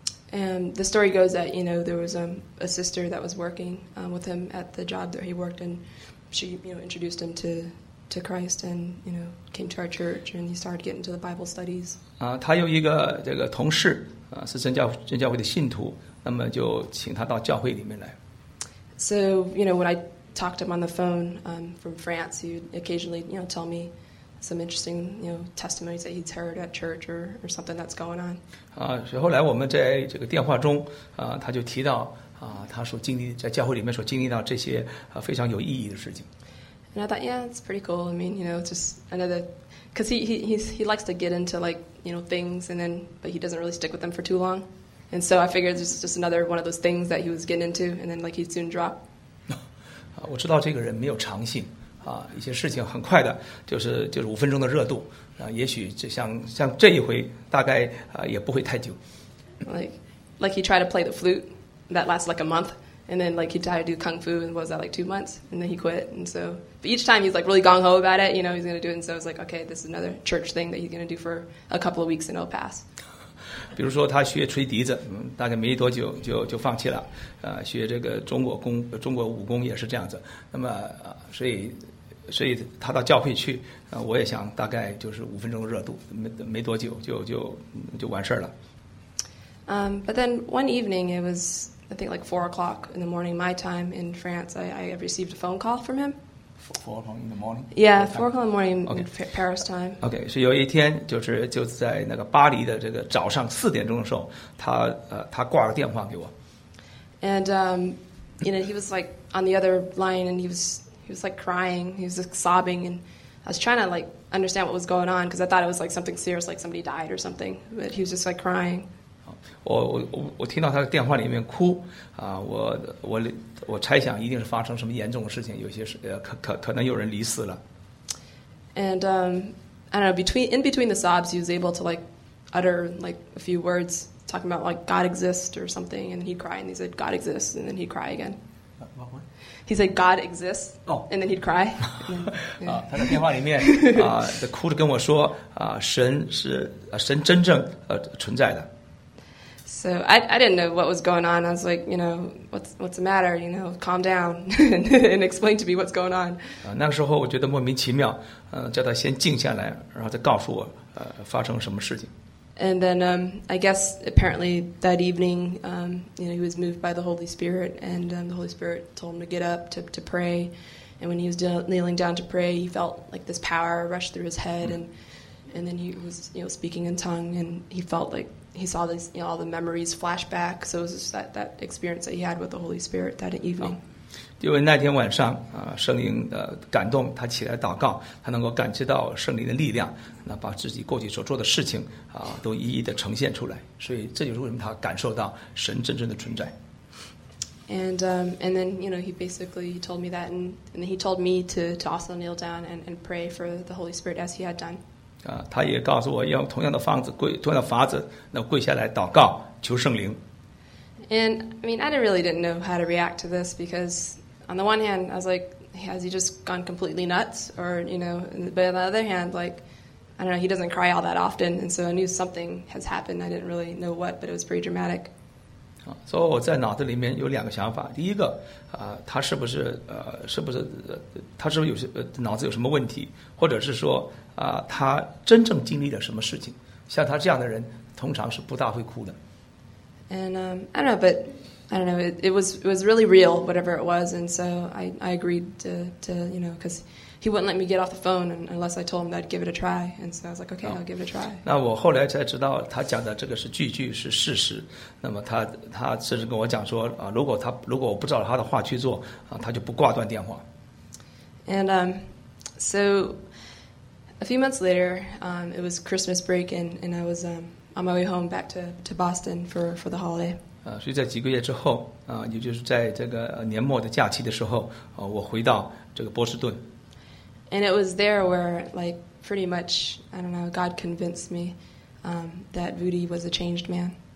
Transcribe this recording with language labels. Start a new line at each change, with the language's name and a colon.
English: And the story goes that there was a sister that was working with him at the job that he worked in. She introduced him to Christ and came to our church and he started getting into the Bible studies.
Chinese: 他有一个这个同事是真教会的信徒。那么就请他到教会里面来。
English: So when I talked to him on the phone from France, he'd occasionally tell me some interesting testimonies that he's heard at church or something that's going on.
Chinese: 所以后来我们在这个电话中他就提到他所经历在教会里面所经历到这些非常有意义的事情。
English: And I thought, yeah, it's pretty cool. I mean, just another, because he likes to get into things, and then but he doesn't really stick with them for too long. And so I figured this is just another one of those things that he was getting into, and then he'd soon drop.
Chinese: 我知道这个人没有长性一些事情很快的，就是五分钟的热度也许就像这一回，大概也不会太久。
English: Like he tried to play the flute, that lasted a month, and then he tried to do kung fu, and what was that, 2 months? And then he quit, and so, but each time he's really gung-ho about it, he's going to do it, and so I was okay, this is another church thing that he's going to do for a couple of weeks, and it'll pass.
Chinese: 比如说他学吹笛子大概没多久就放弃了学这个中国武功也是这样子，那么所以他到教会去我也想大概就是五分钟热度，没多久就完事了。
English: But then one evening, it was I think 4 o'clock in the morning my time in France, I received a phone call from him. 4 o'clock in the morning? Yeah, 4 o'clock in the morning in Paris time.
Chinese: Okay, 是有一天就在那个巴黎的这个早上4点钟的时候，他挂了电话给我。
English: And he was on the other line, and he was crying, he was sobbing, and I was trying to understand what was going on, because I thought it was something serious, somebody died or something, but he was just crying.
Chinese: 我听到他的电话里面哭我猜想一定是发生什么严重的事情，有些是可能有人离世了。
English: And I don't know, in between the sobs, he was able to utter a few words talking about God exists or something, and he'd cry, and he said God exists, and then he'd cry again. What? He said God exists. Oh. And then he'd cry.
Chinese: 他在电话里面哭着跟我说神真正存在的。
English: So I didn't know what was going on. I was what's the matter? Calm down and explain to me what's going on.
Chinese: 那个时候我觉得莫名其妙，叫他先静下来，然后再告诉我，发生什么事情。
English: And then I guess apparently that evening, he was moved by the Holy Spirit, and the Holy Spirit told him to get up to pray. And when he was kneeling down to pray, he felt this power rush through his head, and then he was speaking in tongue, and he felt like. He saw this, all the memories flash back. So it was just that experience that he had with the Holy Spirit that evening.
Chinese: 因为那天晚上啊，圣灵的感动，他起来祷告，他能够感知到圣灵的力量，那把自己过去所做的事情啊，都一一的呈现出来。所以这就是为什么他感受到神真正的存在。
English: And then you know he basically told me that, and then he told me to also kneel down and pray for the Holy Spirit as he had done.
Chinese: 啊，他也告诉我用同样的方子跪，同样的法子，那跪下来祷告求圣灵。
English: And I mean, I really didn't know how to react to this because, on the one hand, I was like, has he just gone completely nuts? Or, you know, but on the other hand, like, I don't know, he doesn't cry all that often. And so I knew something has happened. I didn't really know what, but it was pretty dramatic.
Chinese: So, 我在脑子里面有两个想法。第一个，他是不是，是不是，他是不是有些，脑子有什么问题？或者是说，他真正经历了什么事情？像他这样的人，通常是不大会哭的。
English: And I don't know, but I don't know. It was really real, whatever it was, and so I agreed to you know, because he wouldn't let me get off the phone unless I told him that I'd give it a try. And so I was like, okay, I'll give it a try.
Chinese: 那我后来才知道，他讲的这个是句句是事实。那么他甚至跟我讲说，如果我不照他的话去做，他就不挂断电话。
English: And so a few months later, it was Christmas break, and I was on my way home back to Boston for the holiday.
Chinese: 所以在几个月之后，也就是在这个年末的假期的时候，我回到这个波士顿。
English: And it was there where, like, pretty much, I don't know, God convinced me, that Rudy was a changed man.